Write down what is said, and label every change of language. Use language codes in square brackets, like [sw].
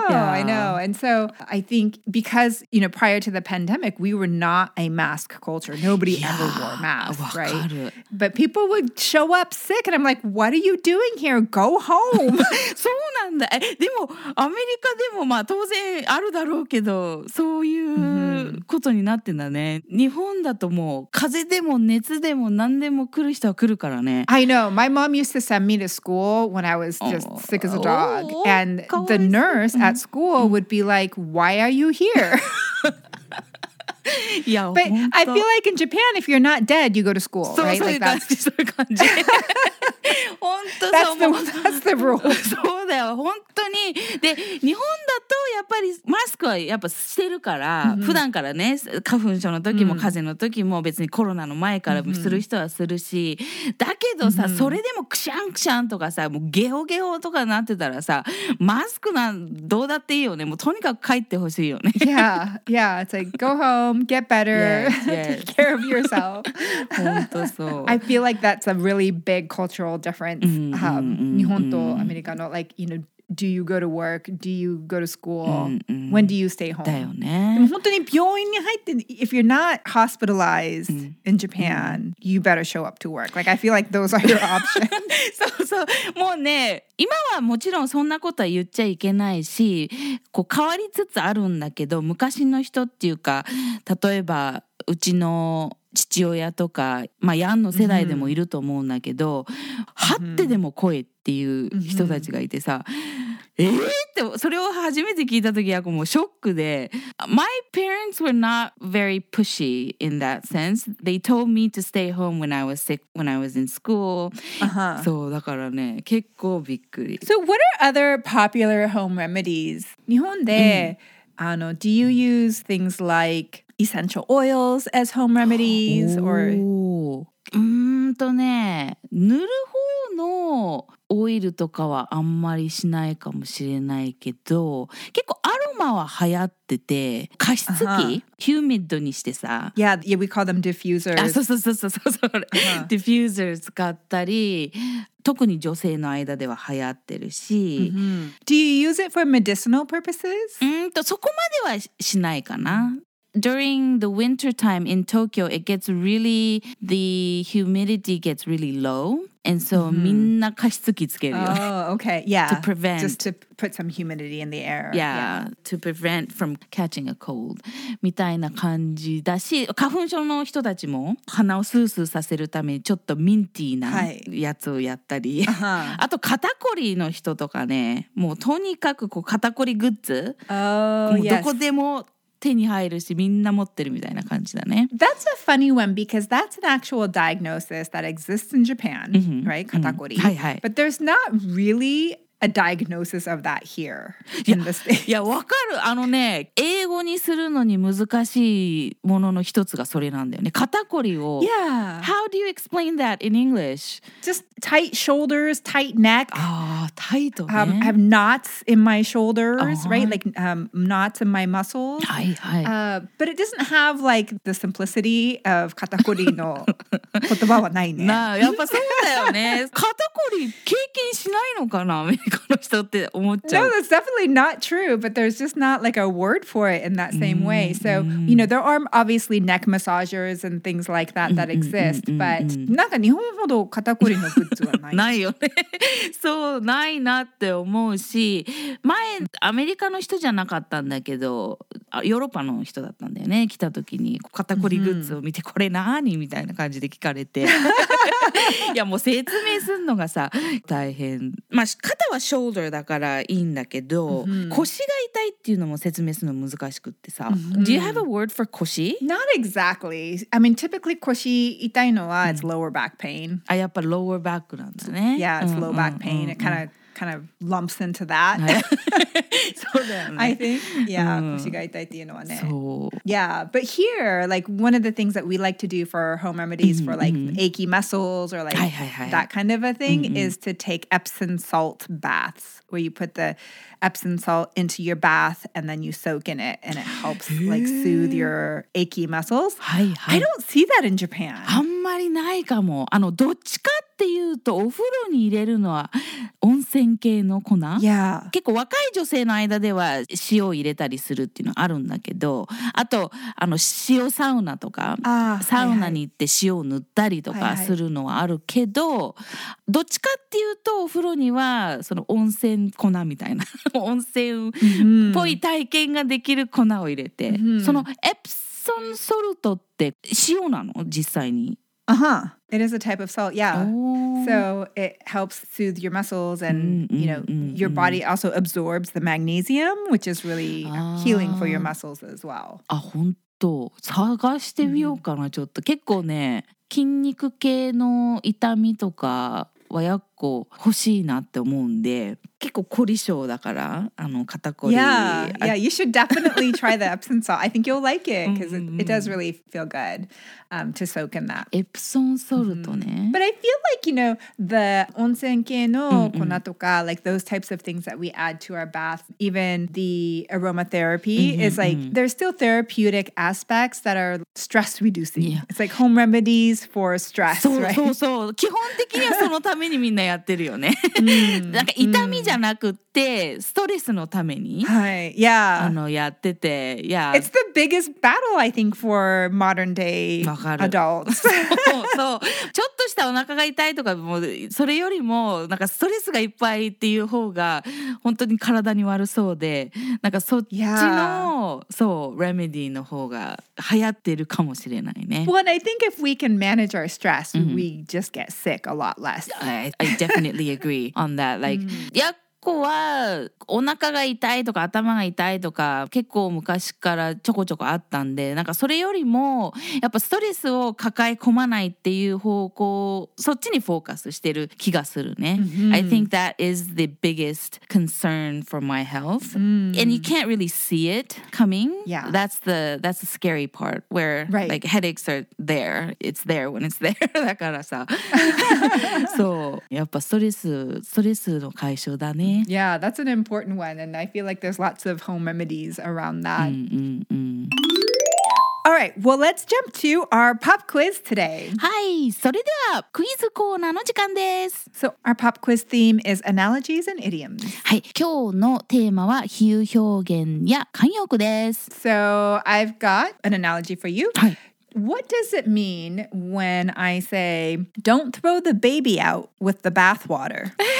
[en] And so I think because, you know, prior to the pandemic, we were not a mask culture. Nobody ever wore masks, right? But people would show up sick and I'm like, what are you doing here? Go home. [ja] そうなんだ。でもアメリカでもまあ当然あるだろうけど、そういうことになってんだね。日本だともう風邪でも熱でも何でも来る人は来るからね。 [en] I know. My mom used to send me to school when I was just sick as a dog. And the nurse at school would be like, why are you here? Yeah, but I feel like in Japan, if you're not dead, you go to school, [ja] そう、 [en] right? [ja] そう、 [en] like that's [ja] そういう感じ。本当だ。 [en] That's the rule. [ja] そうだよ、本当に。で、日本だとやっぱりマスクはやっぱしてるから、普段からね、花粉症の時も風邪の時も別にコロナの前からする人はするし、だけどさ、それでもクシャンクシャンとかさ、もうゲホゲホとかなってたらさ、マスクなんどうだっていいよね。もうとにかく帰ってほしいよね。 [en] Yeah, yeah. It's like go home, get better, take care of yourself. [ja] 本当そう。 [en] I feel like that's a really big cultural difference. [ja] Nihon to America no, [en] like, you know, do you go to work? Do you go to school? When do you stay home? [ja] だよね。でも本当に病院に入って、 [en] if you're not hospitalized in Japan, you better show up to work. Like, I feel like those are your options. [ja] そうそう。もうね、今はもちろんそんなことは言っちゃいけないし、こう変わりつつあるんだけど、昔の人っていうか、例えばうちの父親とか、まあ、ヤンの世代でもいると思うんだけど、張ってでも来いっていう人たちがいてさ、ってそれを初めて聞いた時はもうショックで、 [en] My parents were not very pushy in that sense. They told me to stay home when I was sick, when I was in school. [ja] そうだからね、結構びっくり。 [en] So what are other popular home remedies? [ja] 日本で、 [en] do you use things likeEssential oils as home remedies or? [ja] ぬる方のオイルとかはあんまりしないかもしれないけど、結構アロマは流行ってて、加湿器、ヒューミッドにしてさ。 [en] Yeah, we call them diffusers. [ja] あ、そうそうそうそうそう。 Diffusers 使ったり、特に女性の間では流行ってるし。 [en] Do you use it for medicinal purposes? [ja] そこまでは しないかな。 [en] During the winter time in Tokyo, it gets really, the humidity gets really low. And so, [ja] みんな加湿器つけるよ。 [en] Oh, okay. Yeah. To prevent. Just to put some humidity in the air. Yeah. To prevent from catching a cold. [ja] みたいな感じだし、花粉症の人たちも鼻をスースーさせるためにちょっとミンティーなやつをやったり。あと、肩こりの人とかね、もうとにかくこう肩こりグッズ。 [en] Oh, yes. [ja] もうどこでも手に入るし、みんな持ってるみたいな感じだね。 [en] That's a funny one because that's an actual diagnosis that exists in Japan, right? [ja] 肩こり。はいはい。 [en] But there's not really a diagnosis of that here in the States. [ja] いや、わかる。あのね、英語にするのに難しいものの一つがそれなんだよね。肩こりを。 [en] Yeah. How do you explain that in English? Just tight shoulders, tight neck. [ja] タイトね。 [en] I have knots in my shoulders, right? Like, knots in my muscles. [ja] はいはい。 [en] But it doesn't have, like, the simplicity of [ja] 肩こりの言葉はないね。なあ、やっぱそうだよね。肩こり経験しないのかなアメリカの人って思っちゃう [en] No, that's definitely not true, but there's just not like a word for it in that same way. So, you know, there are obviously neck massagers and things like that that exist, but [ja] なんか日本ほど肩こりのグッズはない。ないよね。そう、ないなって思うし、前アメリカの人じゃなかったんだけど、ヨーロッパの人だったんだよね。来た時に肩こりグッズを見てこれ何みたいな感じで聞かれて。いやもう説明すんのがさ大変、まあ、肩はショルダーだからいいんだけど、うん、腰が痛いっていうのも説明するの難しくってさ、うん、 [en] Do you have a word for [ja] 腰? [en] Not exactly. I mean, typically [ja] 腰痛いのは、 [en] うん、it's lower back pain. [ja] あ、やっぱ lower back なんですね。 [en] Yeah, it's low back pain. It kind of kind of lumps into that. [ja] そうだよね。 [en] I think, yeah, [ja] 腰が痛いっていうのはね。 [en] Yeah, but here, like, one of the things that we like to do for our home remedies for, like, achy muscles or, like, that kind of a thing is to take Epsom salt baths, where you put the Epsom salt into your bath and then you soak in it and it helps, like, soothe your achy muscles. I don't see that in Japan. [ja] あんまりないかも。あの、どっちかっていうと、お風呂に入れるのは温泉典型の粉、 [en] yeah. [ja] 結構若い女性の間では塩を入れたりするっていうのあるんだけど、あとあの塩サウナとか、サウナに行って塩を塗ったりとかするのはあるけど、どっちかっていうとお風呂にはその温泉粉みたいな温泉っぽい体験ができる粉を入れて、mm-hmm. そのエプソンソルトって塩なの実際に。 [en] Uh-huh. It is a type of salt, yeah. So it helps soothe your muscles and, you know, your body also absorbs the magnesium, which is really healing for your muscles as well. [ja] Ah, 本当。探してみようかな、ちょっと。結構ね、筋肉系の痛みとかはやっこ欲しいなって思うんで、結構凝り性だから、あの肩こり。 [en] Yeah, yeah, you should definitely try the Epsom salt. I think you'll like it, because it does really feel good, to soak in that. [ja] Epsom salt ね。 [en] But I feel like, you know, the [ja] 温泉系の粉とか、 [en] like those types of things that we add to our bath, even the aromatherapy, is like, there's still therapeutic aspects that are stress reducing. Yeah. It's like home remedies for stress, right? [ja] そうそうそう。基本的にはそのためにみんなやってるよね。なんか痛みじゃなくってストレスのために、はい、yeah. あのやってて、yeah. [en] It's the biggest battle, I think, for modern day adults. [ja] そうそう、ちょっとしたお腹が痛いとかもそれよりもなんかストレスがいっぱいっていう方が本当に体に悪そうで、なんかそっちの、そう、レメディーの方が流行ってるかもしれないね。 [en] Well, I think if we can manage our stress, we just get sick a lot less. I definitely agree on that. [ja] Like, やっこはお腹が痛いとか頭が痛いとか結構昔からちょこちょこあったんで、なんかそれよりもやっぱストレスを抱え込まないっていう方向、そっちにフォーカスしてる気がするね。 [en] I think that is the biggest concern for my health. And you can't really see it coming. Yeah. That's the scary part where like headaches are there. It's there when it's there. [ja] だからさ。そう。やっぱストレスの解消だね。 [en] Yeah, that's an important one. And I feel like there's lots of home remedies around that. All right, well, let's jump to our pop quiz today. [ja] Hi, それではクイズコーナーの時間です。 [en] So our pop quiz theme is analogies and idioms. [ja] はい、今日のテーマは比喩表現や慣用句です。 [en] So I've got an analogy for you. [ja] はい。 [en] What does it mean when I say, don't throw the baby out with the bathwater?